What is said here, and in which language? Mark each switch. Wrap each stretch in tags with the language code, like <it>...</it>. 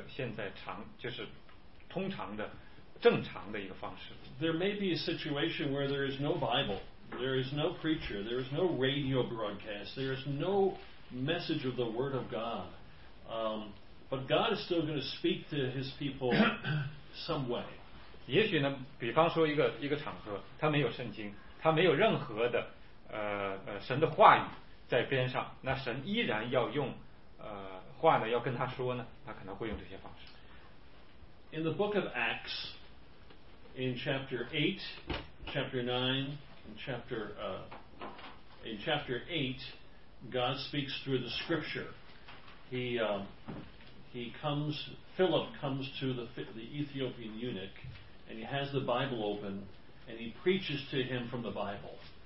<zh>那我要这么表述会更准确，就是神也许有的时候会使用可听的声音或者梦来告诉你，但是这不是一个现在常就是通常的。正常的一个方式.</zh> <en>There may be a situation where there is no Bible, there is no preacher, there is no radio broadcast, there is no message of the Word of God. But God is still going to speak to His people some way.</en> <zh>也许呢，比方说一个场合，他没有圣经，他没有任何的神的话语在边上，那神依然要用话呢要跟他说呢，他可能会用这些方式.</zh> <en>In the book of Acts, in chapter 8, chapter 9, and chapter, in chapter 8, God speaks through the scripture. Philip comes to the Ethiopian eunuch, and he has the Bible open, and he preaches to him from the Bible.</en>